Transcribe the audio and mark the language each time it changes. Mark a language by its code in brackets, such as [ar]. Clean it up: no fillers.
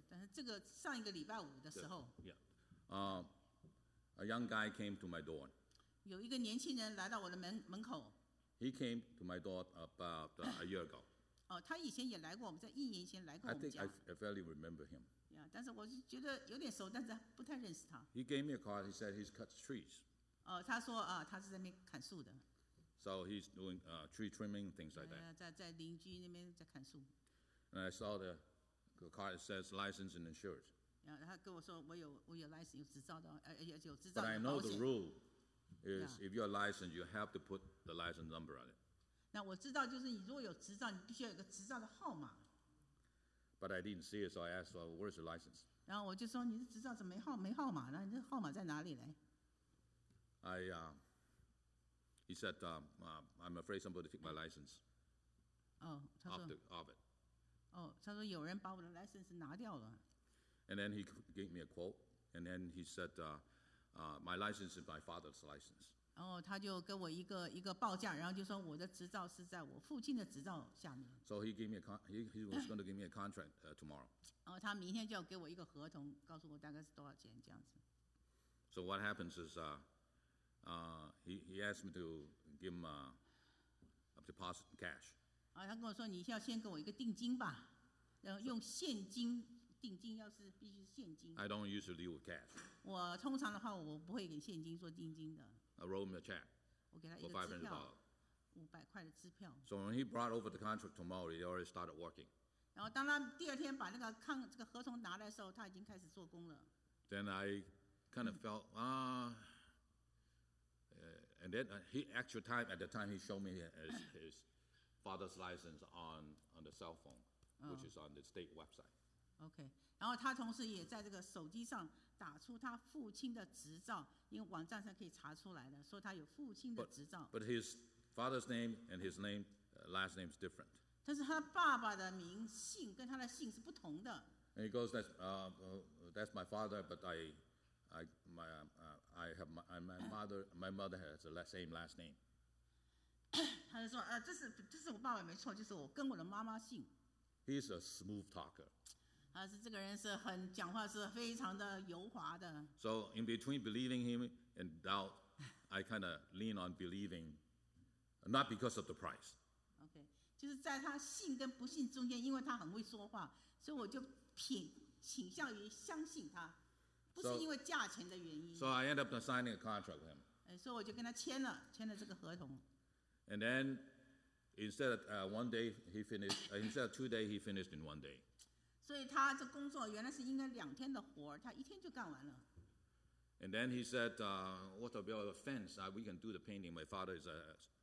[zh] 但是这个上一个礼拜五的时候 [en] ，Yeah, a young guy came to my door. [zh] 有一个年轻人来到我的门口。 [en] He came to my door about a year ago. [zh] 哦，他以前也来过，我们在一年前来过我们家。 [en] I think I fairly remember him. [zh] Yeah, 但是我是觉得有点熟，但是不太认识他。 [en] He gave me a card. He said he's cut trees. [zh] 哦，他说啊，他是在那边砍树的。 [en] So he's doing tree trimming things like that. [zh] 在邻居那边在砍树。 [en] And I saw the card says license and insurance. [zh] Yeah, 他跟我说我有 license, 有执照的。 [en] But I know the rule is if you're licensed, you have to put the license number on it. [zh] 那我知道就是你如果有执照，你必须要有个执照的号码。 [en] But I didn't see it, so I asked, well, "Where's the license?" [zh] 然后我就说你的执照怎么没号码呢？你这号码在哪里嘞？ [en] He said, "I'm afraid somebody took my license." [zh] Oh, 他说 [en] of it. [zh] Oh, 他说有人把我的 license 拿掉了。 [en] And then he gave me a quote. And then he said, "My license is my father's license." [zh] 然后他就给我一个报价，然后就说我的执照是在我父亲的执照下面。 [en] So he gave me a he was going to give me a contract tomorrow. [zh] 然后他明天就要给我一个合同，告诉我大概是多少钱这样子。 [en] So what happens is, he asked me to give him a deposit cash. [zh] 他跟我说你要先给我一个定金吧，然后用现金，定金要是必须是现金。 [en] I don't usually deal with cash. [zh] 我通常的话我不会给现金做定金的。 [en] I wrote him a check. [zh] 我给他一个支票，$500的支票。 [en] So when he brought over the contract tomorrow, he already started working. [zh] 然后当他第二天把那个这个合同拿来的时候，他已经开始做工了。 [en] Then I kind of felt, and then he actual time, at the time he showed me his father's license on the cell phone, which is on the state website. [zh] Okay, 然后他同时也在这个手机上打出他父亲的执照，因为网站上可以查出来的，说他有父亲的执照。 [en] But his father's name and his name last name is different. [zh] 但是他爸爸的名姓跟他的姓是不同的。 [en] And he goes, that's my father, but my mother has the same last name. [zh] 他就说这是我爸爸没错，就是我跟我的妈妈姓。 [en] He's a smooth talker. [zh] 他是这个人是很讲话是非常的油滑的。 [en] So in between believing him and doubt, I kind of lean on believing, not because of the price. [zh] Okay, 就是在他信跟不信中间，因为他很会说话，所以我就倾向于相信他，不是因为价钱的原因。 [en] So I end up signing a contract with him. [zh] 所以我就跟他签了这个合同。 [en] And then, instead of one day, he finished. Instead of 2 days, he finished in 1 day. So he, this work, [zh] 原来是应该两天的活儿，他一天就干完了。 [en] And then he said, "What about a fence? We can do the painting. My father is a